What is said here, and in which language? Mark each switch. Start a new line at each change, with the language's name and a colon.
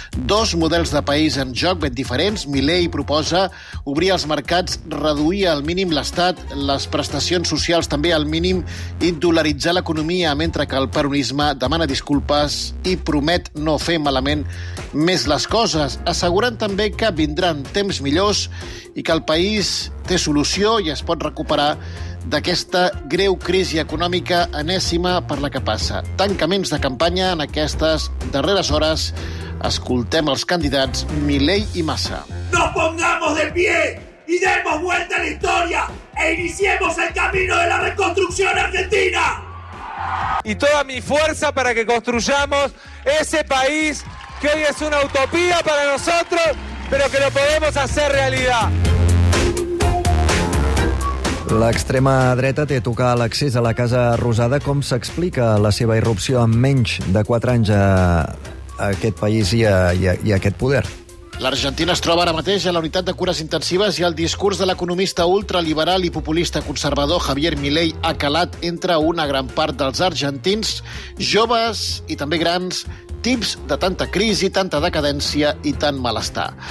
Catalan: Dos models de país en joc ben diferents. Milei proposa obrir els mercats, reduir al mínim l'Estat, les prestacions socials també al mínim, i dolaritzar l'economia, mentre que el peronisme demana disculpes i promet no fer malament més les coses, assegurant també que vindran temps millors i que el país té solució i es pot recuperar d'aquesta greu crisi econòmica enèsima per la que passa. Tancaments de campanya en aquestes darreres hores. Escoltem els candidats Milei i Massa.
Spanish: Nos pongamos de pie y demos vuelta a la historia e iniciemos el camino de la reconstrucción argentina. Y toda mi fuerza para que construyamos ese país que hoy es una utopía para nosotros, pero que lo podemos hacer realidad.
Catalan: L'extrema dreta té a tocar l'accés a la Casa Rosada. Com s'explica la seva irrupció en menys de 4 anys a aquest país i a aquest poder? L'Argentina es troba ara mateix a la unitat de cures intensives i el discurs de l'economista ultraliberal i populista conservador Javier Milei ha calat entre una gran part dels argentins, joves i també grans, tips de tanta crisi, tanta decadència i tant malestar.